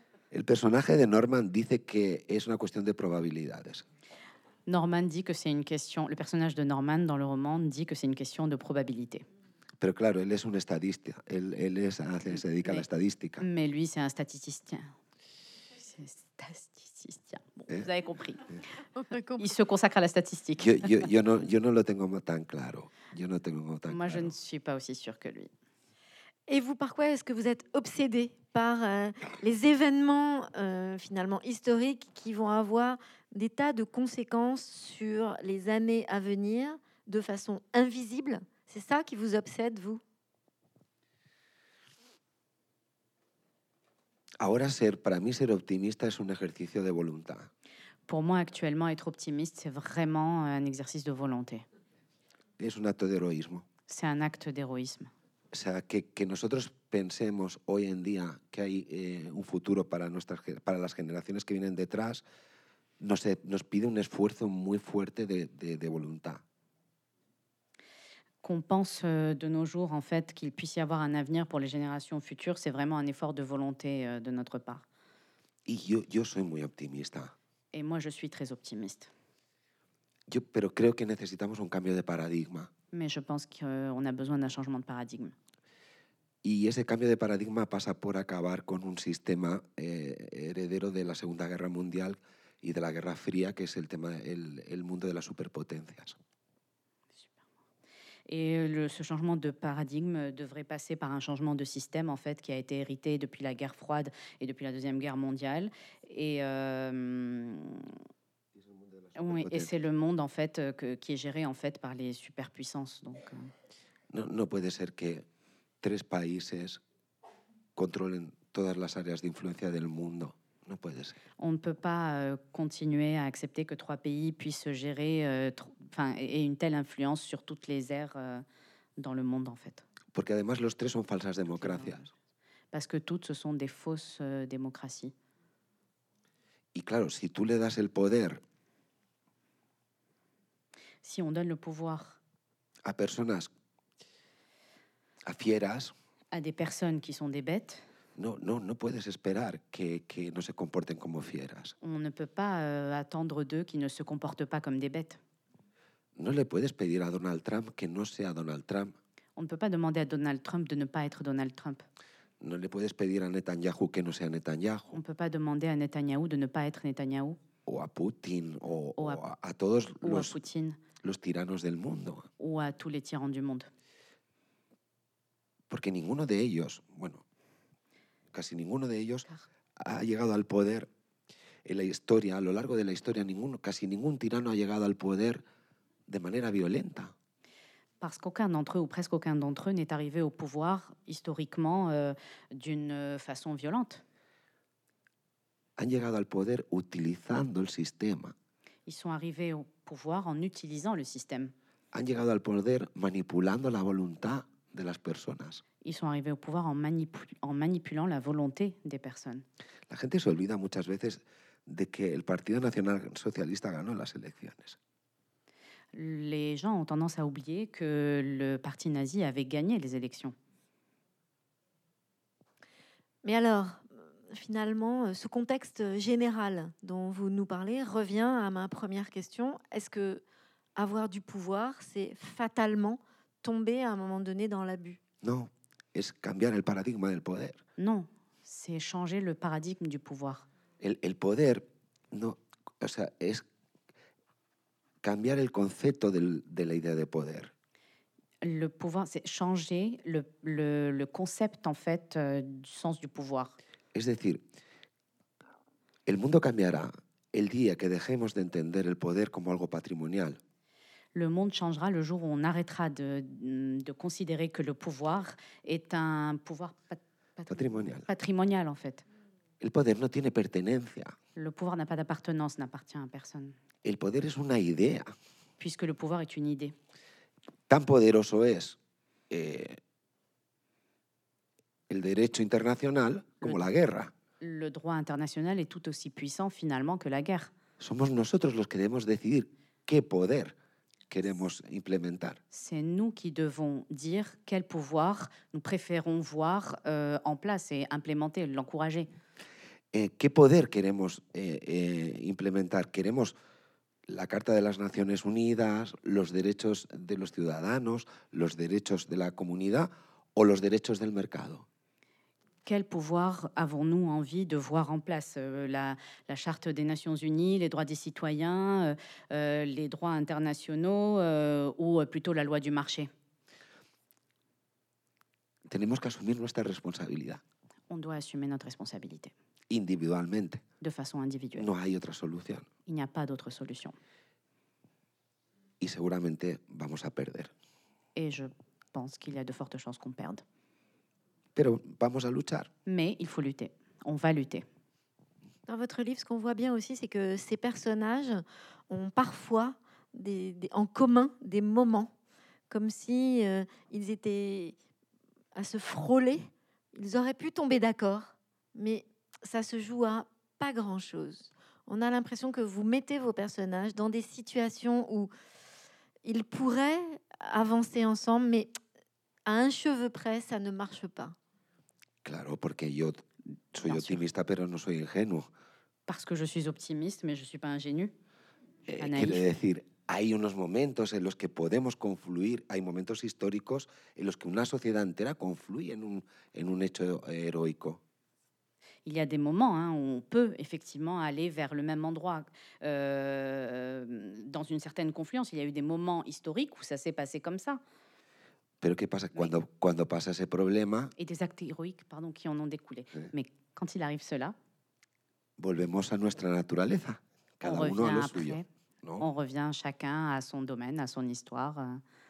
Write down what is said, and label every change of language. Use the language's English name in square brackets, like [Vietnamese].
[Spanish] El personaje de Norman dice que es una cuestión de probabilidades. [French] Norman dit que c'est une question. Le personnage de Norman dans le roman dit que c'est une question de probabilité. [Spanish] Pero claro, él es un estadista. Él es, se dedica a la estadística. [French] Mais lui, c'est un statisticien. Statisticien. Bon, vous avez compris. Il se consacre à la statistique. [Spanish] Yo no lo tengo tan claro. Yo no tengo tan [French] Moi, [Spanish] claro. [French] Je ne suis pas aussi sûr que lui. Et vous, par quoi est-ce que vous êtes obsédé par les événements finalement historiques qui vont avoir des tas de conséquences sur les années à venir de façon invisible? C'est ça qui vous obsède, vous? [Spanish] Ahora ser, para mí ser optimista es un ejercicio de voluntad. [French] Pour moi, actuellement, être optimiste, c'est vraiment un exercice de volonté. [Spanish] Es un acto de heroísmo. [French] C'est un acte d'héroïsme. [Spanish] O sea, que nosotros pensemos hoy en día que hay un futuro para, nuestras, para las generaciones que vienen detrás, nos pide un esfuerzo muy fuerte de voluntad. [French] Qu'on pense de nos jours, en fait, qu'il puisse y avoir un avenir pour les générations futures, c'est vraiment un effort de volonté de notre part. [Spanish] Y yo soy muy optimista. [French] Et moi, je suis très optimiste. [Spanish] Yo, pero creo que necesitamos un cambio de paradigma. [French] Mais je pense qu'on a besoin d'un changement de paradigme. [Spanish] Y ese cambio de paradigma pasa por acabar con un sistema heredero de la Segunda Guerra Mundial y de la Guerra Fría, que es el tema el mundo de las superpotencias. [French] Et ce changement de paradigme devrait passer par un changement de système, en fait, qui a été hérité depuis la guerre froide et depuis la Deuxième Guerre mondiale. Oui, et c'est le monde, en fait, qui est géré, en fait, par les superpuissances. Donc, [Spanish] No puede ser que tres países contrôlent todas las áreas de influencia del mundo. No puede ser. [French] On ne peut pas continuer à accepter que trois pays puissent gérer et une telle influence sur toutes les aires dans le monde, en fait. [Spanish] Porque además los tres son falsas democracias. [French] Parce que toutes, ce sont des fausses démocraties. [Spanish] Y claro, si tú le das el poder... [French] Si on donne le pouvoir... [Spanish] A personas... A fieras... [French] A des personnes qui sont des bêtes... [Spanish] No puedes esperar que no se comporten como fieras. [French] On ne peut pas attendre d'eux qu'ils ne se comportent pas comme des bêtes. [Spanish] No le puedes pedir a Donald Trump que no sea Donald Trump. [French] On ne peut pas demander à Donald Trump de ne pas être Donald Trump. [Spanish] No le puedes pedir a Netanyahu que no sea Netanyahu. [French] On ne peut pas demander à Netanyahu de ne pas être Netanyahu. [Spanish] O a Putin, o a todos los tiranos del mundo. [French] Ou à tous les tyrans du monde. [Spanish] Porque ninguno de ellos, bueno... Casi ninguno de ellos ha llegado al poder en la historia, a lo largo de la historia, casi ningún tirano ha llegado al poder de manera violenta. [French] Parce qu'aucun d'entre eux, ou presque aucun d'entre eux, n'est arrivé au pouvoir historiquement d'une façon violente. [Spanish] Han llegado al poder utilizando el sistema. [French] Ils sont arrivés au pouvoir en utilisant le système. [Spanish] Han llegado al poder manipulando la voluntad de las personas. [French] Ils sont arrivés au pouvoir en manipulant la volonté des personnes. [Spanish] La gente se olvida muchas veces de que el Partido Nacional Socialista ganó las elecciones. [French] Les gens ont tendance à oublier que le parti nazi avait gagné les élections. Mais alors, finalement, ce contexte général dont vous nous parlez revient à ma première question. Est-ce que avoir du pouvoir, c'est fatalement tomber à un moment donné dans l'abus? Non. [Spanish] Es cambiar el paradigma del poder. [French] No, c'est changer le paradigme du pouvoir. [Spanish] El poder no, o sea, es cambiar el concepto de la idea de poder. [French] Le pouvoir, c'est changer le concept en fait du sens du pouvoir. [Spanish] Es decir, el mundo cambiará el día que dejemos de entender el poder como algo patrimonial. [French] Le monde changera le jour où on arrêtera de considérer que le pouvoir est un pouvoir patrimonial, en fait. [Spanish] El poder no tiene pertenencia. [French] Le pouvoir n'a pas d'appartenance, n'appartient à personne. [Spanish] El poder es una idea. [French] Puisque le pouvoir est une idée. [Spanish] Tan poderoso es el derecho internacional como la guerra. [French] Le droit international est tout aussi puissant, finalement, que la guerre. [Spanish] somos nosotros los que debemos decidir qué poder queremos implementar. [French] C'est nous qui devons dire quel pouvoir nous préférons voir en place et implémenter, l'encourager. [Spanish] ¿Qué poder queremos implementar? ¿Queremos la Carta de las Naciones Unidas, los derechos de los ciudadanos, los derechos de la comunidad o los derechos del mercado? [French] Quel pouvoir avons-nous envie de voir en place la Charte des Nations Unies, les droits des citoyens, les droits internationaux ou plutôt la loi du marché? [Spanish] Tenemos que asumir nuestra responsabilidad. [French] On doit assumer notre responsabilité. [Spanish] Individualmente. [French] De façon individuelle. [Spanish] No hay otra solución. [French] Il n'y a pas d'autre solution. [Spanish] Y seguramente vamos a perder. [French] Et je pense qu'il y a de fortes chances qu'on perde. [Spanish] Pero vamos a luchar. [French] Mais il faut lutter. On va lutter. Dans votre livre, ce qu'on voit bien aussi, c'est que ces personnages ont parfois en commun des moments, comme si ils étaient à se frôler. Ils auraient pu tomber d'accord, mais ça se joue à pas grand-chose. On a l'impression que vous mettez vos personnages dans des situations où ils pourraient avancer ensemble, mais à un cheveu près, ça ne marche pas. [Spanish] Claro, porque yo soy optimista, pero no soy ingenuo. [French] Parce que je suis optimiste, mais je suis pas ingénue. [Spanish] Quiero decir, hay unos momentos en los que podemos confluir, hay momentos históricos en los que una sociedad entera confluye en un hecho heroico. [French] Il y a des moments hein, où on peut effectivement aller vers le même endroit dans une certaine confluence. Il y a eu des moments historiques où ça s'est passé comme ça. [Spanish] Pero qué pasa cuando pasa ese problema? [French] Et des actes héroïques, pardon, qui en ont découlé. Mais quand il arrive cela, [Spanish] volvemos a nuestra naturaleza. Cada uno a lo suyo. ¿No? [French] On revient chacun à son domaine, à son histoire.